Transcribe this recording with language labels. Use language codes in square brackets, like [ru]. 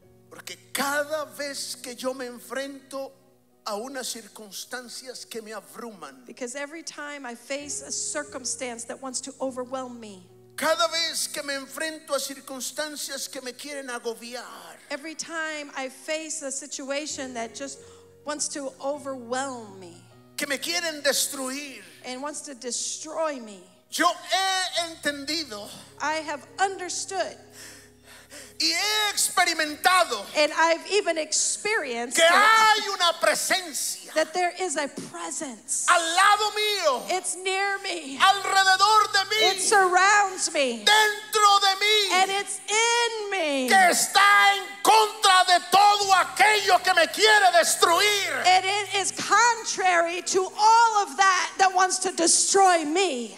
[es] Porque cada vez que yo me enfrento a unas circunstancias que me abruman. [en] Because every time I face a circumstance that wants to overwhelm me. [es] Cada vez que me enfrento a circunstancias que me quieren agobiar. [en] Every time I face a situation that just wants to overwhelm me. [es] Que me quieren destruir. [en] And wants to destroy me. [es] Yo he entendido. [en] I have understood. [es] Y he experimentado [en] and I've even experienced [es] que hay una presencia [en] that there is a presence [es] al lado mío, [en] it's near me, [es] alrededor de mí, [en] it surrounds me, [es] dentro de mí, [en] and it's in me, [es] que está en contra de todo aquello que me quiere destruir. [en] And it is contrary to all of that that wants to destroy me.